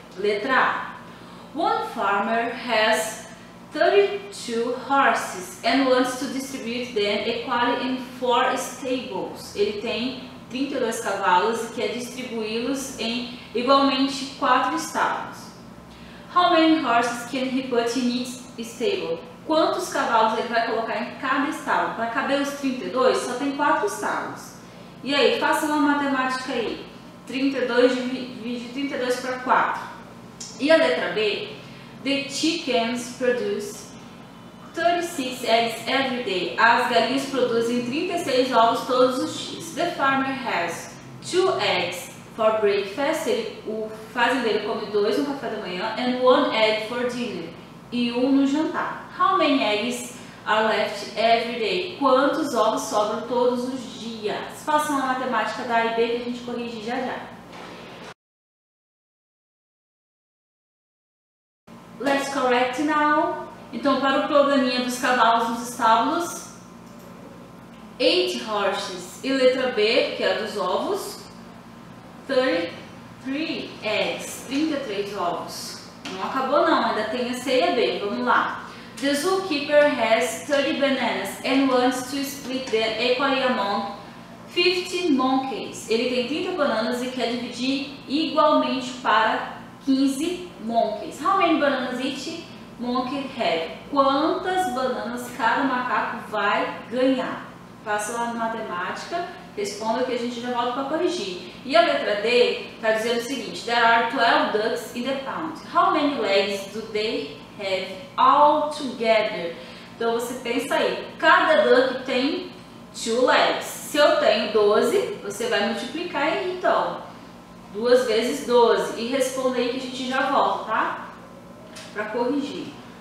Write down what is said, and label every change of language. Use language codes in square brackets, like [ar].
[pt] Letra A. [en] One farmer has 32 horses and wants to distribute them equally in 4 stables. [pt] Ele tem 32 cavalos e quer distribuí-los em igualmente 4 estábulos. [en] How many horses can he put in each stable? [pt] Quantos cavalos ele vai colocar em cada estábulo? Para caber os 32, só tem 4 estábulos. E aí, faça uma matemática aí. 32 divide 32 para 4. E a letra B? [en] The chickens produce 36 eggs every day. [pt] As galinhas produzem 36 ovos todos os dias. [en] The farmer has 2 eggs for breakfast. [pt] O fazendeiro come 2 no café da manhã [en] and 1 egg for dinner. [pt] E 1 no jantar. [en] How many eggs are left every day? [pt] Quantos ovos sobram todos os dias? Façam a matemática da A e B que a gente corrige já já. [en] Let's correct now. [pt] Então, para o probleminha dos cavalos nos estábulos, [en] 8 horses. [pt] E letra B, que é a dos ovos, [en] 33 eggs. [pt] 33 ovos. Não acabou, não. Ainda tem a C e a B. Vamos lá. [en] The zookeeper has 30 bananas and wants to split them equally among 50 monkeys. [pt] Ele tem 30 bananas e quer dividir igualmente para 15 monkeys. [en] How many bananas each monkey have? [pt] Quantas bananas cada macaco vai ganhar? Faça lá na matemática, responda que a gente já volta para corrigir. E a letra D está dizendo o seguinte: [en] there are 12 ducks in the pound. How many legs do they have all together? [pt] Então você pensa aí, cada duck tem 2 legs. Se eu tenho 12, você vai multiplicar aí então. 2 vezes 12. E responda aí que a gente já volta, tá? Para corrigir.